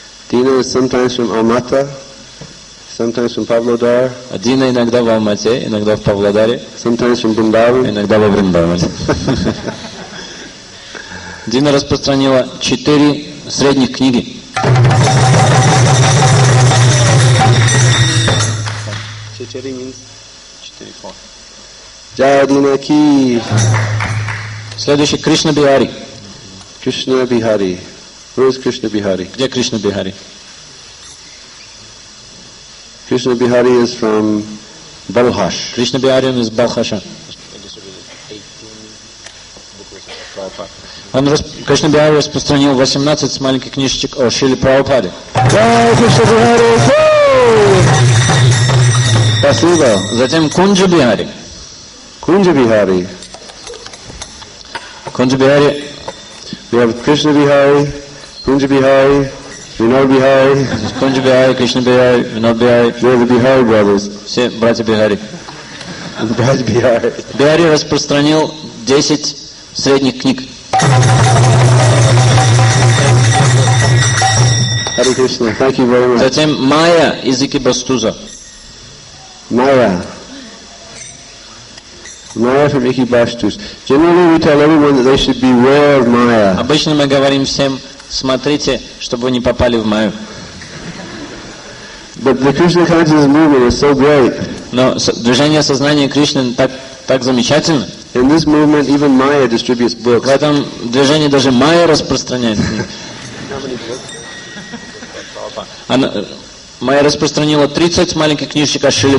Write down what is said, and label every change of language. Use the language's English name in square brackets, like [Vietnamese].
[English] Дина is sometimes from Almaty, sometimes from Pavlodar. [Russian] Дина иногда в Алмате, иногда в Павлодаре. [English] Sometimes from Vrindavan. [Russian] Иногда во Вриндаване. Дина распространила 4 средних книги. Четыре [English] means? 4, 4. [Hindi] Джая Дина Ки. [Russian] Следующий Кришна Бихари. Кришна Бихари. [English] Where is Krishna Bihari? [Russian] Где Кришна Бихари? [English] Krishna Bihari is from Balkhash. Krishna Bihari is Balkhasha. [Russian] Krishna Bihari распространил 18 маленьких книжечек о Шриле Прабхупаде. Krishna Bihari! Спасибо. Затем Кунджа Бихари. Кунджа Бихари. Кунджа Бихари. [English] We have Krishna Bihari, Kunja Bihari, Vinod Bihari. Kunja Bihari, Krishna Bihari, Vinod Bihari. They are the Bihari brothers. [Russian] Все братья Бихари. Братья Бихари. Бихари распространил 10 средних книг. [English] Hare Krishna, thank you very much. [Russian] Затем Майя из Икибастуза. Майя. [English] Майя from Икибастуз. Generally we tell everyone that they should beware of Майя. [Russian] Обычно мы говорим всем, смотрите, чтобы вы не попали в Майю. [English] But the Krishna consciousness movement is so great. [Russian] Но движение сознания Кришны так замечательно. [English] In this movement, even Maya distributes books. [Russian] В этом движении даже Майя распространяет. Она Майя распространила 30 маленьких книжечек о Шриле